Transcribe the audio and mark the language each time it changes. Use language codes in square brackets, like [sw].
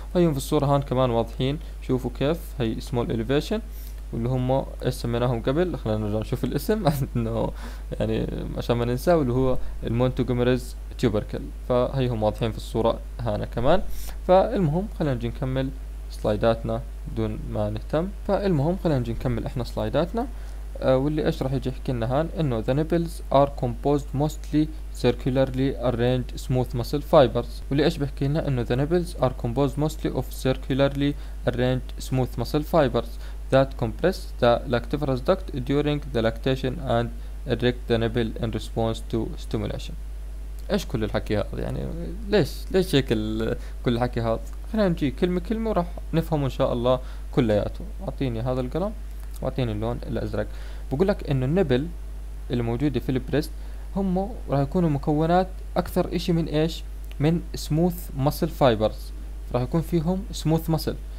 [ar] وهيهم في الصورة هان كمان واضحين، شوفوا كيف هي [en] small elevation، [ar] واللي هم ايش سميناهم قبل، خلينا نرجع نشوف الاسم انه يعني عشان ما ننساه، واللي هو المونتجومرز تيوبركل. فهيهم واضحين في الصوره هنا كمان. فالمهم خلينا نجي نكمل سلايداتنا دون ما نهتم. فالمهم خلينا نجي نكمل احنا سلايداتنا، واللي ايش راح يجي يحكي لنا هان، انه [en] the nipples are composed mostly circularly arranged smooth muscle fibers، [ar] واللي ايش بحكي لنا انه [en] the nipples are composed mostly of circularly arranged smooth muscle fibers that compress the lactiferous duct during the lactation and erect the nipple in response to stimulation. [ar] ايش كل الحكي هذا؟ يعني ليش هيك كل الحكي هذا؟ خلينا نجي كلمه كلمه وراح نفهم ان شاء الله كلياته. اعطيني هذا القلم واعطيني اللون الازرق. بقول لك انه النبل الموجوده في البريست هم راح يكونوا مكونات اكثر شيء من ايش؟ من سموث مسل فايبرز، راح يكون فيهم سموث مسل.